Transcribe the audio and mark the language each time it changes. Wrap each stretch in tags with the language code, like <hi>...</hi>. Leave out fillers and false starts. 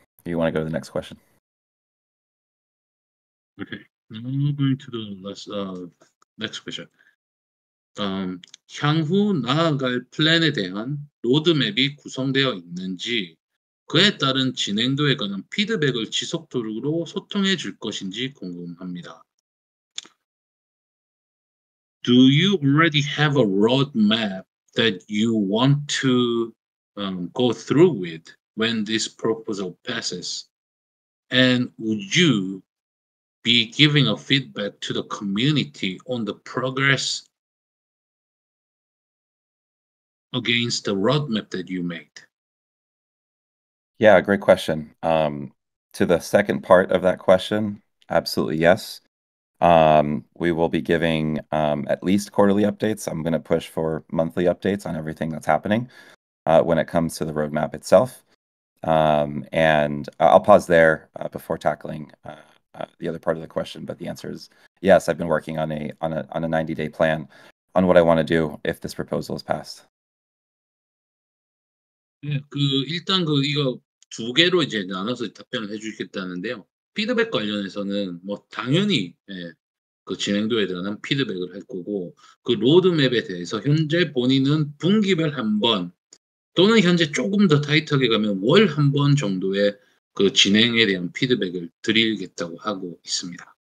<en>You want to go to the next question? Okay, now we're going to the next question.</en> <ko>향후 나아갈 플랜에 대한 로드맵이 구성되어 있는지, 그에 따른 진행도에 관한 피드백을 지속적으로 소통해 줄 것인지 궁금합니다.</ko> <en>Do you already have a roadmap that you want to go through with when this proposal passes? And would you be giving a feedback to the community on the progress against the roadmap that you made? Yeah, great question. To the second part of that question, absolutely yes. We will be giving at least quarterly updates. I'm going to push for monthly updates on everything that's happening when it comes to the roadmap itself. And I'll pause there before tackling the other part of the question. But the answer is yes. I've been working on a 90-day plan on what I want to do if this proposal is passed.</en> <ko>네, 일단 이거 두 개로 이제 나눠서 답변을 해주겠다는데요. 피드백 관련해서는 뭐 당연히 그 진행도에 대한 피드백을 할 거고, 그 로드맵에 대해서 현재 본인은 분기별 한번 또는 현재 조금 더 타이트하게 가면 월한번 정도의 그 진행에 대한 피드백을 드리겠다고 하고 있습니다.</ko>